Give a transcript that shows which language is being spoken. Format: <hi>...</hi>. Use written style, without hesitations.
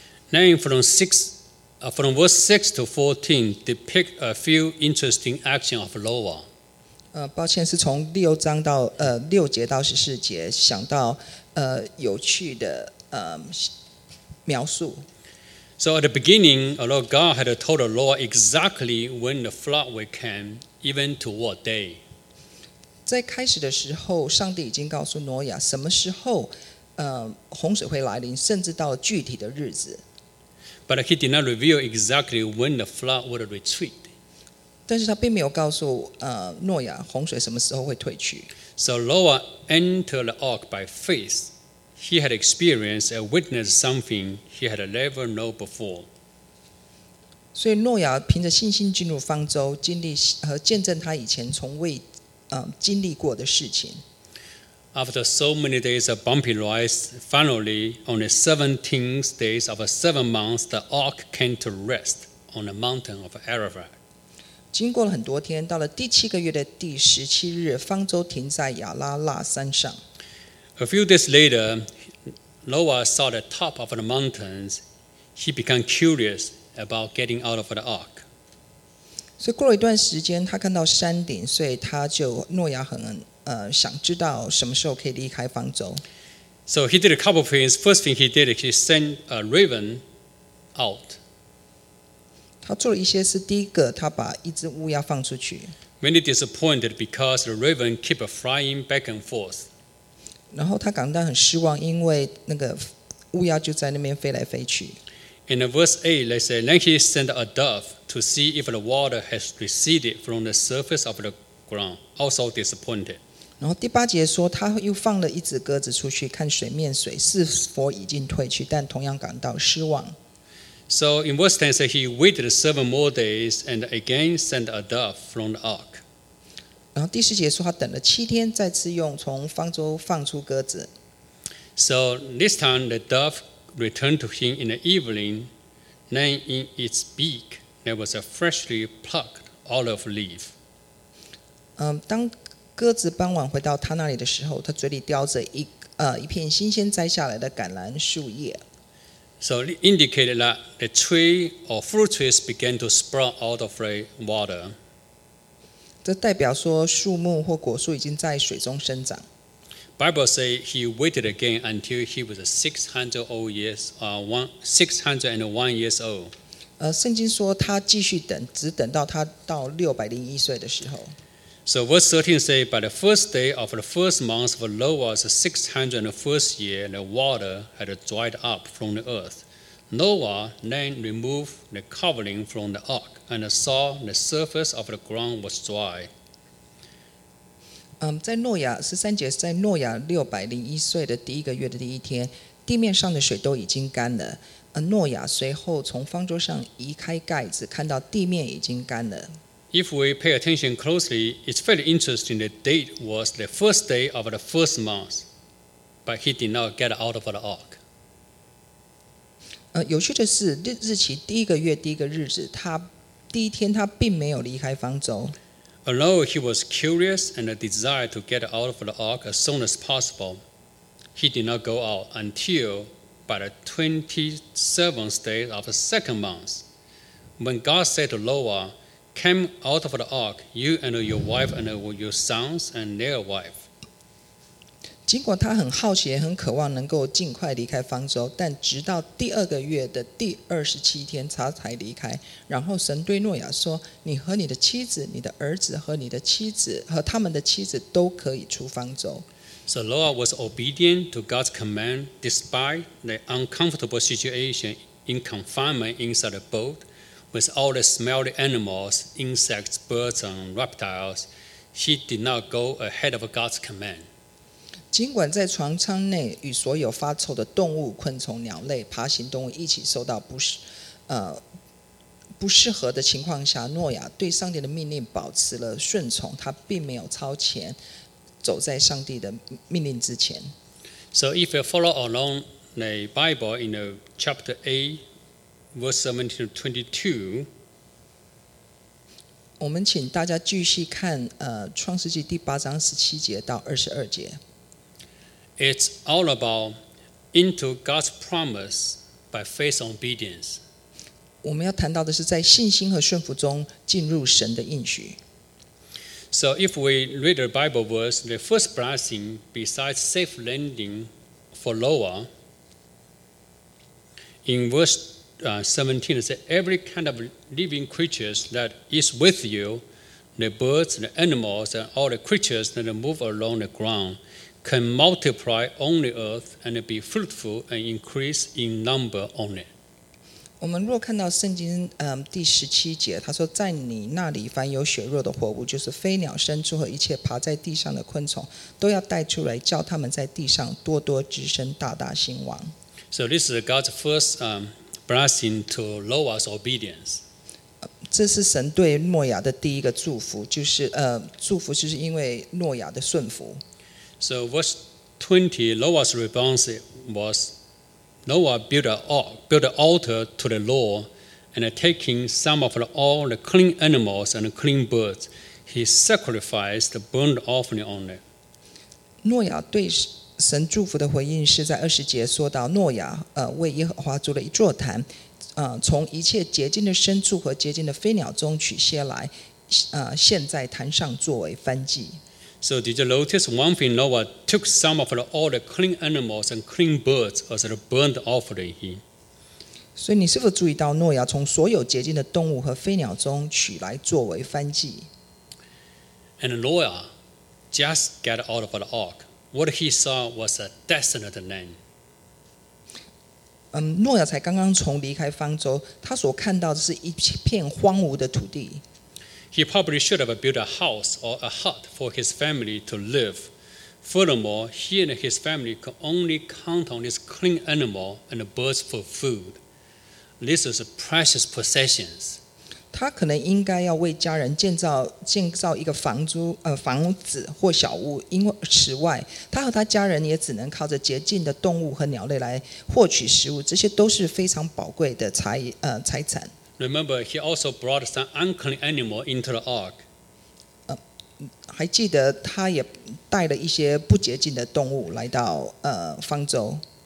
<en>Then from verse 6 to 14 depict a few interesting actions of Noah.</en> <zh>抱歉，是从六章到六节到十四节想到有趣的。描述。</zh> <en>So at the beginning, although God had told Noah exactly when the flood would come, even to what day?</en> <zh>在开始的时候，上帝已经告诉挪亚什么时候，洪水会来临，甚至到了具体的日子。</zh> <en>But he did not reveal exactly when the flood would retreat.</en> <zh>但是他并没有告诉挪亚洪水什么时候会退去。</zh> <en>So Noah entered the ark by faith. He had experienced and witnessed something he had never known before.</en> <zh>所以挪亚凭着信心进入方舟，经历和见证他以前从未经历过的事情。</zh> <en>After so many days of bumpy rides, finally, on the 17th day of 7 months, the ark came to rest on the mountain of Ararat.</en> <zh>经过了很多天，到了第七个月的第十七日，方舟停在亚拉腊山上。</zh> <en>A few days later, Noah saw the top of the mountains. He became curious about getting out of the ark.</en> <zh>所以过了一段时间，他看到山顶，所以他就诺亚很想知道什么时候可以离开方舟。</zh> <en>So he did a couple of things. First thing he did is he sent a raven out.</en> <zh>他做了一些事，第一个他把一只乌鸦放出去。</zh> <en>Many disappointed because the raven keep flying back and forth.</en> <zh>然后他感到很失望，因为那个乌鸦就在那边飞来飞去。</zh> <en>In verse 8, they say, then he sent a dove to see if the water has receded from the surface of the ground. Also disappointed.</en> <zh>然后第八节说，他又放了一只鸽子出去看水面水是否已经退去，但同样感到失望。</zh> <en>So in verse 10, he waited 7 more days and again sent a dove from the ark.</en> <zh>然后第十节说，他等了七天，再次用从方舟放出鸽子。</zh> <en>So this time the dove. Returned to him in the evening, then in its beak there was a freshly plucked olive leaf.</en> <zh>当鸽子傍晚回到他那里的时候，他嘴里叼着一片新鲜摘下来的橄榄树叶。</zh> <en>So it indicated that the tree or fruit trees began to sprout out of the water.</en> <zh>这代表说树木或果树已经在水中生长。</zh> <en>Bible says he waited again until he was 601 years old.</en> <zh>圣经说他继续等，只等到他到601岁的时候。</zh> <en>So verse 13 says, by the first day of the first month of Noah's 601st year, the water had dried up from the earth. Noah then removed the covering from the ark and saw the surface of the ground was dry.</en> <zh>在诺亚十三节，在诺亚601岁的第一个月的第一天，地面上的水都已经干了。诺亚随后从方舟上移开盖子，看到地面已经干了。</zh> <en>If we pay attention closely, it's fairly interesting. The date was the first day of the first month, but he did not get out of the ark.</en> <zh>有趣的是，日期第一个月第一个日子，他第一天他并没有离开方舟。</zh> <en>Although he was curious and a desire to get out of the ark as soon as possible, he did not go out until by the 27th day of the second month. When God said to Noah, Come out of the ark, you and your wife and your sons and their wife.</en> <zh>尽管他很好奇，很渴望能够尽快离开方舟，但直到第二个月的第27天他才离开。然后神对诺亚说，你和你的妻子，你的儿子和你的妻子和他们的妻子都可以出方舟。</zh> <en>So Noah was obedient to God's command despite the uncomfortable situation in confinement inside the boat with all the smelly animals, insects, birds and reptiles. He did not go ahead of God's command.</en> <zh>尽管在船舱内与所有发臭的动物、昆虫、鸟类、爬行动物一起受到不适合的情况下，诺亚对上帝的命令保持了顺从，他并没有超前走在上帝的命令之前。</zh> <en>So if you follow along the Bible in the chapter 8, verse 17 to 22,</en> <zh>我们请大家继续看创世纪第八章十七节到二十二节。</zh> <en>It's all about into God's promise by faith and obedience.</en> <zh>我们要谈到的是在信心和顺服中进入神的应许。</zh> <en>So if we read the Bible verse, the first blessing besides safe landing for Noah, in verse 17, it says, every kind of living creatures that is with you, the birds, the animals, and all the creatures that move along the ground can multiply on the earth and be fruitful and increase in number on it.</en> <zh>我们若看到圣经第十七节，他说：“在你那里，凡有血肉的活物，就是飞鸟、牲畜和一切爬在地上的昆虫，都要带出来，叫他们在地上多多滋生，大大兴旺。”</zh> <en>So this is God's first blessing to Noah's obedience.</en> <zh>这是神对诺亚的第一个祝福，就是祝福就是因为诺亚的顺服。</zh> <en>So verse 20, Noah's response was. Noah built an altar to the Lord, and taking some of all the clean animals and clean birds, he sacrificed the burnt offering on it.</en> <zh>诺亚对神祝福的回应是在二十节说到诺亚为耶和华筑了一座坛，从一切洁净的牲畜和洁净的飞鸟中取些来，献在坛上作为燔祭。</zh> <en>So did you notice one thing? Noah took some of all the clean animals and clean birds as a burnt offering.</en> <zh>所以你是否注意到诺亚从所有洁净的动物和飞鸟中取来作为燔祭？</zh> <en>And Noah just got out of the ark. What he saw was a desolate land.</en> <zh>诺亚才刚刚从离开方舟，他所看到的是一片荒芜的土地。</zh> <en>He probably should have built a house or a hut for his family to live. Furthermore, he and his family could only count on his clean animal and birds for food. This is precious possessions.</en> <zh>他可能应该要为家人建造一个房子或小屋。因为此外，他和他家人也只能靠着洁净的动物和鸟类来获取食物。这些都是非常宝贵的财产。</zh> <en>Remember, he also brought some unclean animal into the ark.</en> <zh>还记得他也带了一些不洁净的动物来到方舟。</zh>